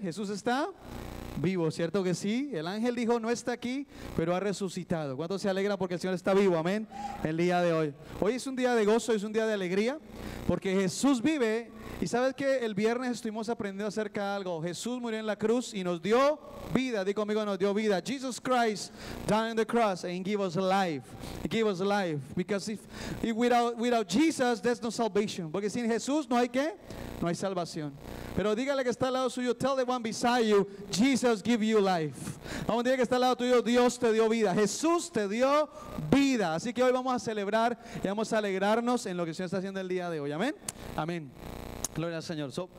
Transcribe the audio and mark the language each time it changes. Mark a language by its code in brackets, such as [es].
[es] Jesús está vivo, ¿cierto que sí? El ángel dijo, no está aquí, pero ha resucitado. ¿Cuántos se alegran porque el Señor está vivo? Amén. El día de hoy. Hoy es un día de gozo, es un día de alegría, porque Jesús vive. Y sabes que el viernes estuvimos aprendiendo acerca de algo. Jesús murió en la cruz y nos dio vida. Dí conmigo, nos dio vida. [en] Jesus Christ died on the cross and gave us life. He gave us life. Because if without Jesus, there's no salvation. [es] Porque sin Jesús no hay qué? No hay salvación. Pero dígale que está al lado suyo. [en] Tell the one beside you, Jesus give you life. [es] Vamos, dígale que está al lado tuyo. Dios te dio vida. Jesús te dio vida. Así que hoy vamos a celebrar y vamos a alegrarnos en lo que el Señor está haciendo el día de hoy. Amén. Amén. Gloria al Señor.